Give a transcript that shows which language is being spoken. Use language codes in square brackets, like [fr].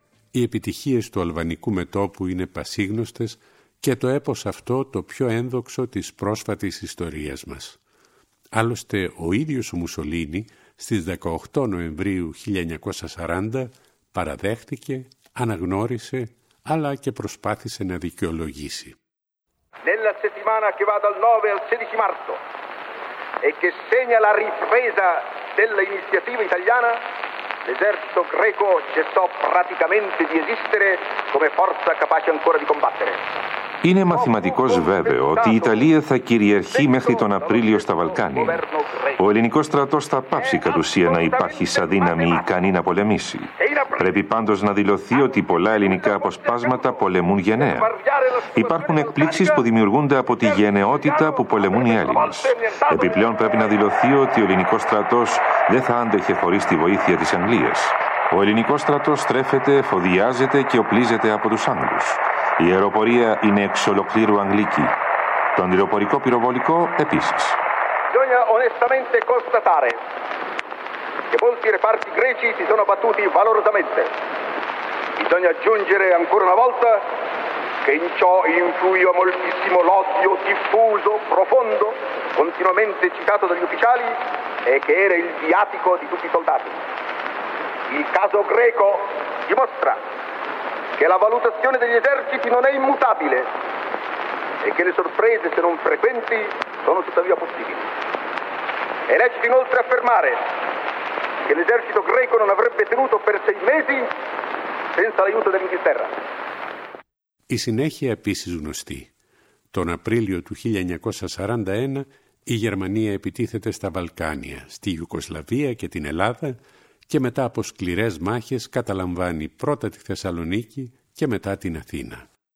[el] Οι επιτυχίες του αλβανικού μετόπου είναι πασίγνωστες και το έπος αυτό το πιο ένδοξο της πρόσφατης ιστορίας μας. Άλλωστε ο ίδιος ο Μουσολίνη στις 18 Νοεμβρίου 1940 παραδέχτηκε, αναγνώρισε, αλλά και προσπάθησε να δικαιολογήσει. [it] Nella settimana che va dal 9 al 16 marzo e che segna la ripresa dell'iniziativa italiana, l'esercito greco cessò praticamente di esistere come forza capace ancora di combattere. [el] Είναι μαθηματικός βέβαιο ότι η Ιταλία θα κυριαρχεί μέχρι τον Απρίλιο στα Βαλκάνια. Ο ελληνικός στρατός θα πάψει κατ' ουσία να υπάρχει σαν δύναμη ικανή να πολεμήσει. Πρέπει πάντως να δηλωθεί ότι πολλά ελληνικά αποσπάσματα πολεμούν γενναία. Υπάρχουν εκπλήξεις που δημιουργούνται από τη γενναιότητα που πολεμούν οι Έλληνες. Επιπλέον πρέπει να δηλωθεί ότι ο ελληνικός στρατός δεν θα άντεχε χωρίς τη βοήθεια της Αγγλίας. Ο ελληνικός στρατός στρέφεται, εφοδιάζεται και οπλίζεται από τους Άγγλους. Η αεροπορία είναι εξ ολοκλήρου αγγλική. Το αντιεροπορικό πυροβολικό επίσης. [it] Bisogna onestamente constatare che molti reparti greci si sono battuti valorosamente. Bisogna aggiungere ancora una volta che in ciò influì moltissimo l'odio diffuso, profondo, continuamente citato dagli ufficiali e che era il viatico di tutti i soldati. Il caso greco dimostra che la valutazione degli eserciti non è immutabile e che le sorprese, se non frequenti, sono tuttavia possibili. È lecito inoltre affermare che l'esercito greco non avrebbe tenuto per sei mesi senza l'aiuto dell'Inghilterra. [el] Η συνέχεια επίσης γνωστή. Τον Απρίλιο του 1941 η Γερμανία επιτίθεται στα Βαλκάνια, στη Ιουγκοσλαβία και την Ελλάδα και μετά από σκληρές μάχες καταλαμβάνει πρώτα τη Θεσσαλονίκη και μετά την Αθήνα.